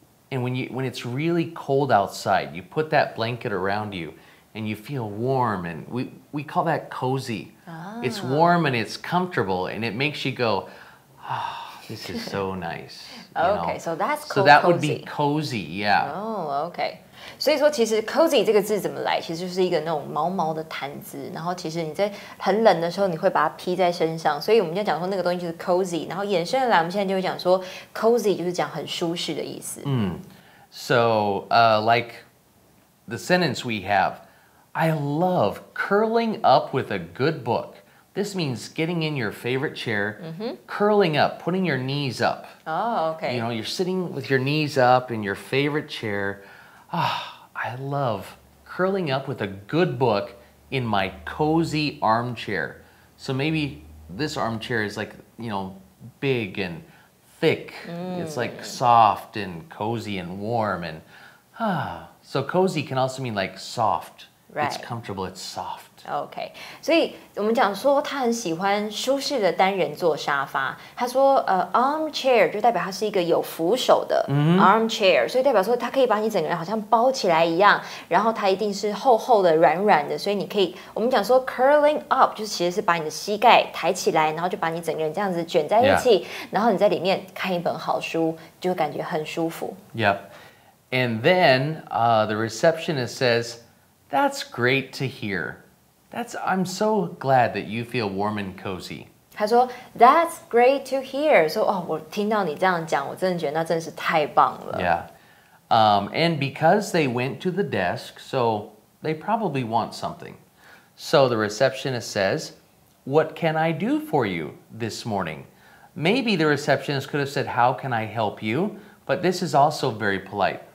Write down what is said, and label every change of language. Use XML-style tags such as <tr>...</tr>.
<en>And when it's really cold outside, you put that blanket around you and you feel warm and we call that cozy. Oh. It's warm and it's comfortable and it makes you go, ah, this is so nice. Okay, so that's cozy. So that would be cozy, yeah. Oh, okay.</en> <zh>所以说其实 cozy 这个字怎么来其实就是一个那种毛毛的毯子然后其实你在很冷的时候你会把它披在身上所以我们就讲说那个东西就是 cozy 然后衍生来我们现在就会讲说 cozy 就是讲很舒适的意思、 mm.</zh> <en>So like the sentence we have I love curling up with a good book This means getting in your favorite chair、mm-hmm. Curling up, putting your knees up Oh, okay You know, you're sitting with your knees up in your favorite chairAh, I love curling up with a good book in my cozy armchair. So maybe this armchair is like, you know, big and thick. Mm. It's like soft and cozy and warm. And, so cozy can also mean like soft. Right. It's comfortable, it's soft.</en> <zh>Okay, 所以我们讲说他很喜欢舒适的单人座沙发。他说armchair 就代表他是一个有扶手的、 mm-hmm. armchair, 所以代表说他可以把你整个人好像包起来一样，然后他一定是厚厚的、软软的，所以你可以我们讲说 curling up 就其实是把你的膝盖抬起来，然后就把你整个人这样子卷在一起，</zh> <en>yeah.</en> <zh>然后你在里面看一本好书，就感觉很舒服。</zh> <en>Yep, and then the receptionist says, "That's great to hear." I'm so glad that you feel warm and cozy.</en> <zh>他说</zh> <en>that's great to hear.</en> <zh>说、so, 哦，我听到你这样讲，我真的觉得那真是太棒了。</zh> <en>Yeah. And because they went to the desk, so they probably want something. So the receptionist says, "What can I do for you this morning?" Maybe the receptionist could have said, "How can I help you?" But this is also very polite.</en>